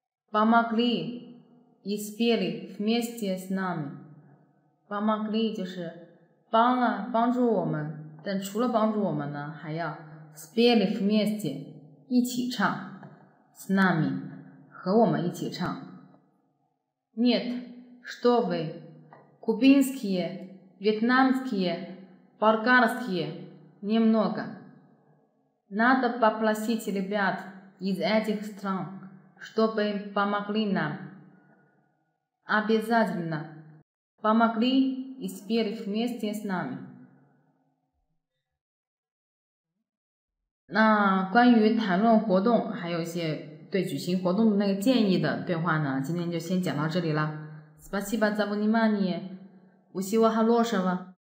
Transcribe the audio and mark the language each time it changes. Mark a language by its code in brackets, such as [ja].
[ru] Помогли и спели вместе с нами. [zh] Помогли 就是帮了帮助我们，但除了帮助我们呢，还要 [ru] спели вместе [zh] 一起唱 [ru] с нами [zh] 和我们一起唱。 [ru] Нет, что вы, кубинские, вьетнамские, болгарские немного. Надо попросить ребят из этих стран. чтобы помогли нам. Обязательно помогли и спели вместе с нами. [zh] 那关于谈论活动还有一些对举行活动的那个建议的对话呢，今天就先讲到这里了。 [ru] Спасибо за внимание. Всего хорошего.